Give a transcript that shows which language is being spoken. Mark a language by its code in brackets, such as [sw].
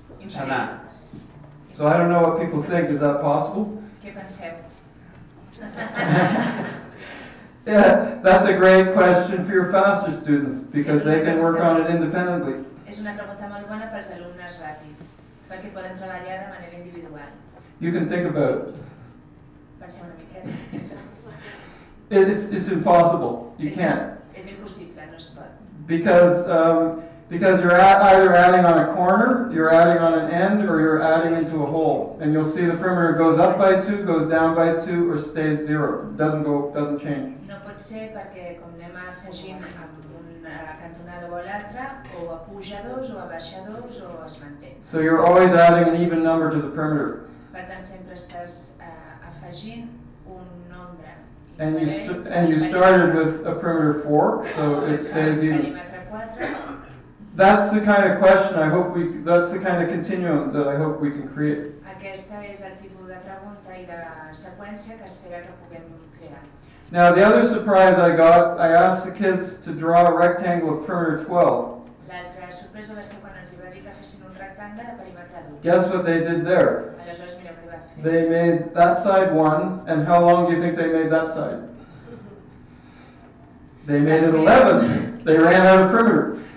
[en] So I don't know what people think, is that possible? Yeah, that's a great question for your faster students, because they can work on it independently. [ca] És una pregunta molt bona pels alumnes ràpids. perquè poden treballar de manera individual. [en] You can think about it. [ca] Pensem una miqueta. [en] It's impossible. You can't. [ca] És impossible, no es pot. [en] Because you're either adding on a corner, you're adding on an end, or you're adding into a hole. And you'll see the perimeter goes up by 2, goes down by 2, or stays 0. Doesn't change. [ca] No pot ser perquè com anem afegint a una cantonada o a l'altra, o a puja 2, o a baixa 2, o es manté. [en] So you're always adding an even number to the perimeter. [ca] Per tant, sempre estàs afegint un nombre. [en] And you started with a perimeter 4, so it stays even. [ca] Perimetre 4. [en] That's the kind of question I hope that's the kind of continuum that I hope we can create. [ca] Aquesta és el tipus de pregunta i de seqüència que espero que puguem crear. [en] Now, the other surprise I got, I asked the kids to draw a rectangle of perimeter 12. [ca] L'altra sorpresa va ser quan els va dir que fessin un rectangle de perimetre 12. [en] Guess what they did there? [ca] Aleshores, mira què va fer. [en] They made that side 1, and how long do you think they made that side? They made it 11. They ran out of perimeter.